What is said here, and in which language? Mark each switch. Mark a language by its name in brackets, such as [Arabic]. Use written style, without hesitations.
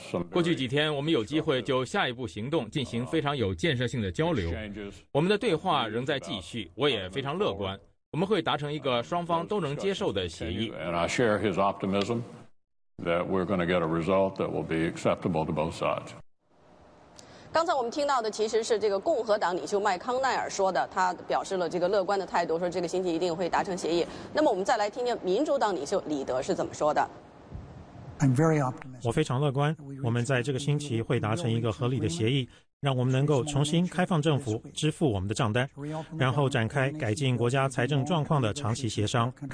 [Chinese] 过去几天我们有机会就下一步行动进行非常有建设性的交流，我们的对话仍在继续，我也非常乐观，我们会达成一个双方都能接受的协议。 [English] And I share his optimism that we're going to get a result that will be acceptable to both sides. [Chinese] 刚才我们听到的其实是这个共和党领袖麦康奈尔说的，他表示了这个乐观的态度，说这个星期一定会达成协议。那么我们再来听听民主党领袖李德是怎么说的。我非常乐观，我们在这个星期会达成一个合理的协议，让我们能够重新开放政府，支付我们的账单，然后展开改进国家财政状况的长期协商。